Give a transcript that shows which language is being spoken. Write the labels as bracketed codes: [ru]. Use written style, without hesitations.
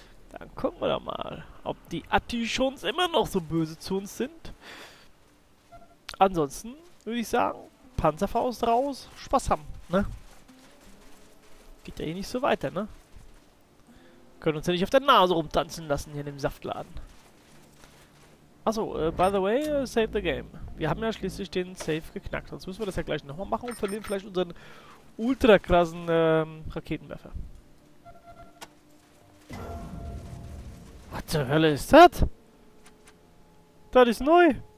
[de] Dann gucken wir doch mal, ob die Attichons immer noch so böse zu uns sind. Ansonsten würde ich sagen, Panzerfaust raus, Spaß haben, ne? Geht ja eh nicht so weiter, ne? Können uns ja nicht auf der Nase rumtanzen lassen hier in dem Saftladen. Achso, [en] by the way, save the game. [de] Wir haben ja schließlich den Safe geknackt. Sonst müssen wir das ja gleich nochmal machen und verlieren vielleicht unseren ultra krassen Raketenwerfer. Was zur Hölle ist das? Das ist neu.